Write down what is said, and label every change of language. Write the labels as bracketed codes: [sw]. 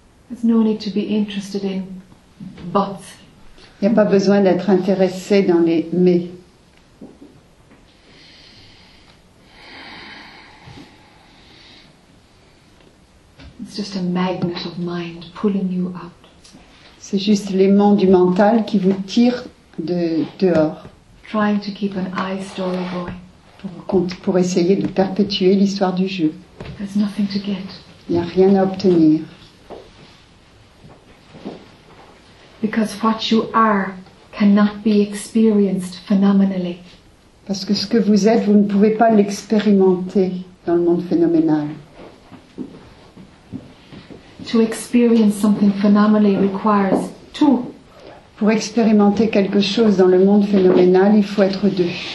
[en] There's no need to be interested in but. [fr] Il n'y a pas besoin d'être intéressé dans les mais. [en] Just a magnet of mind pulling you out. [fr] C'est juste l'aimant du mental qui vous tire de dehors. [en] Trying to keep an I story going. [fr] Pour essayer de perpétuer l'histoire du jeu. [en] There's nothing to get. [fr] Il n'y a rien à obtenir. [en] Because what you are cannot be experienced phenomenally. [fr] Parce que ce que vous êtes, vous ne pouvez pas l'expérimenter dans le monde phénoménal. [en] To experience something phenomenally requires two. [fr] Pour expérimenter quelque chose dans le monde phénoménal, il faut être deux.